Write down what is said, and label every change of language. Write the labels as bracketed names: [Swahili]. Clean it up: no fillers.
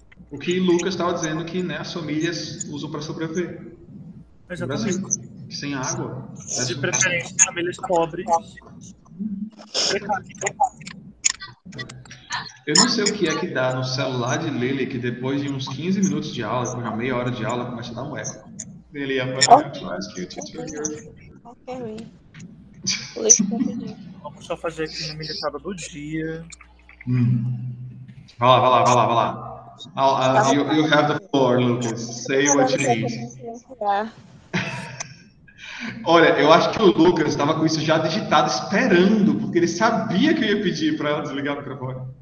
[Portuguese] O que Lucas estava dizendo que, né, as famílias usam para sobreviver. Exatamente. Sem água. De preferência, famílias pobres. Eu não sei o que é que dá no celular de Lily, que depois de uns 15 minutos de aula, uma meia hora de aula, começa a dar um eco. [English] Lily, I'm going to ask you to take your... Ok, Lily. [Portuguese] Vamos só fazer aqui na militada do dia. Vai lá, vai lá, vai lá, vai lá. [English] You have the floor, Lucas. Say what you need. [Portuguese] Olha, eu acho que o Lucas estava com isso já digitado, esperando, porque ele sabia que eu ia pedir para ela desligar o microfone.